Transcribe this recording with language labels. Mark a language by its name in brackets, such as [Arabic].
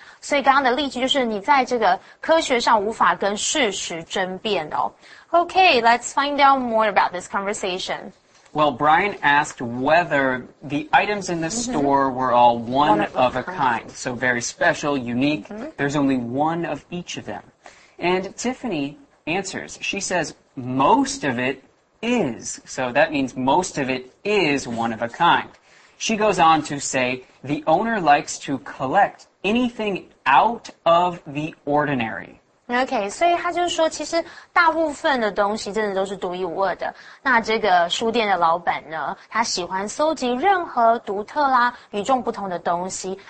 [Chinese] 所以刚刚的例句就是你在这个科学上无法跟事实争辩的哦。 [English] Okay, let's find out more about this conversation. Well, Brian asked whether the items in the store were all one of a kind, so very special, unique. Mm-hmm. There's only one of each of them. And Tiffany answers. She says, most of it is. So that means most of it is one of a kind. She goes on to say, the owner likes to collect anything out of the ordinary. [Chinese] Okay, 所以他就是说其实大部分的东西真的都是独一无二的。那这个书店的老板呢，他喜欢搜集任何独特啦，与众不同的东西。